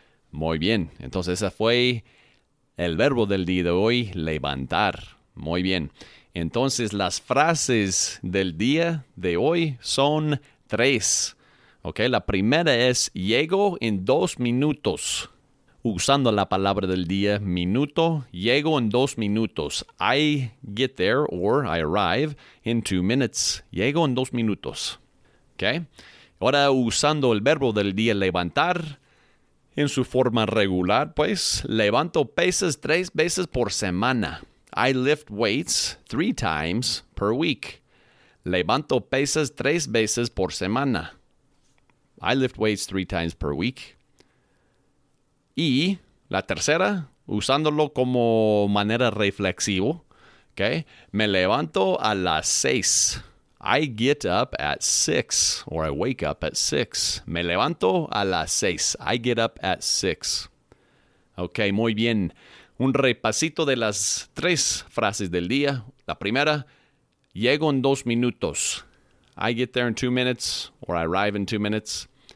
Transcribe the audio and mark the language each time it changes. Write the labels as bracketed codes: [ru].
[es] Muy bien, entonces ese fue el verbo del día de hoy, levantar. Muy bien, entonces las frases del día de hoy son tres. Okay, la primera es, llego en 2 minutos. Usando la palabra del día, minuto, llego en 2 minutos. [en] I get there or I arrive in 2 minutes. [es] Llego en 2 minutos. Okay. Ahora usando el verbo del día, levantar, en su forma regular, pues, levanto pesas 3 veces por semana. [en] I lift weights 3 times per week. [es] Levanto pesas 3 veces por semana. [en] I lift weights 3 times per week. [es] Y la tercera, usándolo como manera reflexivo, Okay. Me levanto a las 6. [en] I get up at 6, or I wake up at 6. [es] Me levanto a las 6. [en] I get up at 6. [es] Okay, muy bien. Un repasito de las tres frases del día. La primera, llego en 2 minutos. [en] I get there in 2 minutes, or I arrive in 2 minutes.